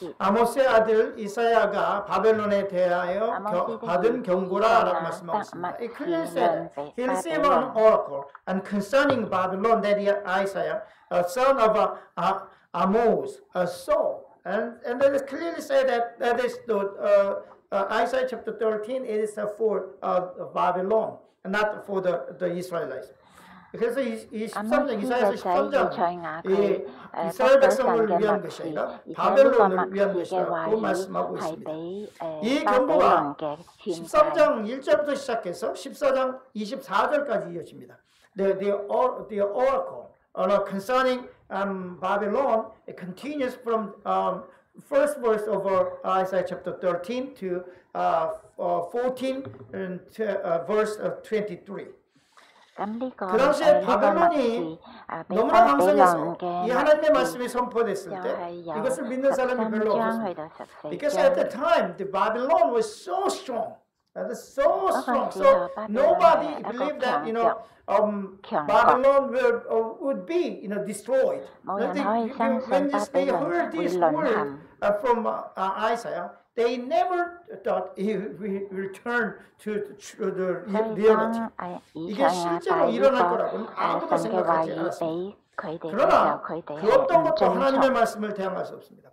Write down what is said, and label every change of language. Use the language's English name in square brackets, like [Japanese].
[Korean] 아모스의 아들 이사야가 바벨론에 대하여 받은 경고라라고 말씀하고 있습니다. [English] It clearly said he received an oracle and concerning Babylon that Isaiah, a son of Amos, saw. And then it clearly said that is the Isaiah chapter 13. It is for Babylon, and not for the Israelites. [Korean] 그래서 이 13장 이스라엘 백성을 위한 것이 아니라 바벨론을 위한 것이라고 말씀하고 있습니다. 이 경고가 13장 1절부터 시작해서 14장 24절까지 이어집니다. [English] The oracle concerning Babylon, it continues from first verse of Isaiah chapter 13 to 14 and verse 23. [Korean] 그 당시에 바벨론이 너무나 강성해서 이 하나님의 말씀이 선포됐을 때 이것을 믿는 사람이 별로 없었습니다. [English] Because at the time, the Babylon was so strong. That is so strong. So nobody believed that, you know, Babylon would be, you know, destroyed. When they say heard this word from Isaiah, they never thought it would return to the reality. [Korean] 이게 실제로 일어날 거라고는 아무도 생각하지 않았습니다. 그러나 그 어떤 것도 하나님의 말씀을 대항할 수 없습니다.